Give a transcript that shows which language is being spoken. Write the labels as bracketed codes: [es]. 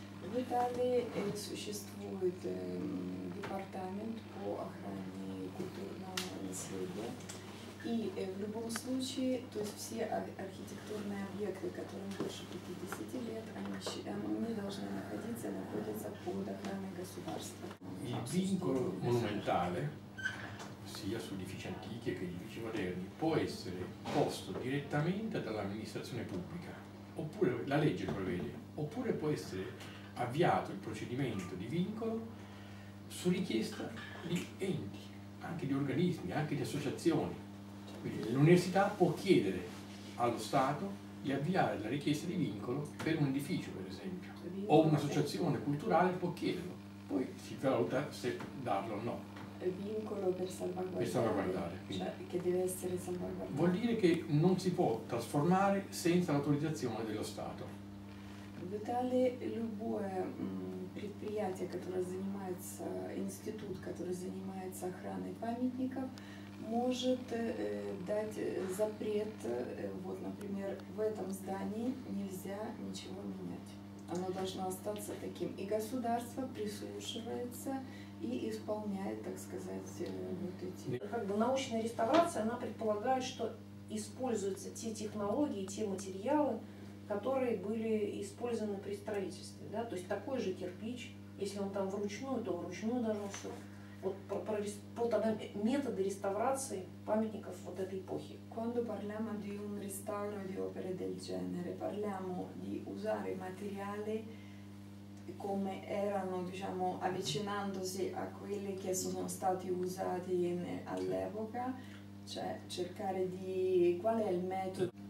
[ru] В Италии существует департамент по охране культурного наследия. И в любом случае, то есть все архитектурные объекты, которым больше 50 лет, они должны находиться, находятся под охраной государства. И винкуло монументале, [it] sia su edifici antichi che edifici moderni, può essere posto direttamente dall'amministrazione pubblica, oppure la legge prevede, oppure può essere avviato il procedimento di vincolo su richiesta di enti, anche di organismi, anche di associazioni. Quindi l'università può chiedere allo Stato di avviare la richiesta di vincolo per un edificio, per esempio, o un'associazione culturale può chiederlo, poi si valuta se darlo o no. Vincolo per salvaguardare, cioè che deve essere salvaguardato. Vuol dire che non si può trasformare senza l'autorizzazione dello Stato. [ru] В Италии любое предприятие, которое занимается, институт, который занимается охраной памятников, может дать запрет, вот, например, в этом здании нельзя ничего менять. Оно должно остаться таким. И государство прислушивается и исполняет, так сказать, вот эти... Как бы научная реставрация, она предполагает, что используются те технологии, те материалы, которые были использованы при строительстве, да, то есть такой же кирпич, если он там вручную, то вручную должно все. Вот про методы реставрации памятников вот этой эпохи. [it] Quando parliamo di un restauro di opere del genere, parliamo di usare materiali come erano, diciamo, avvicinandosi a quelli che sono stati usati all'epoca, cioè cercare di qual è il metodo.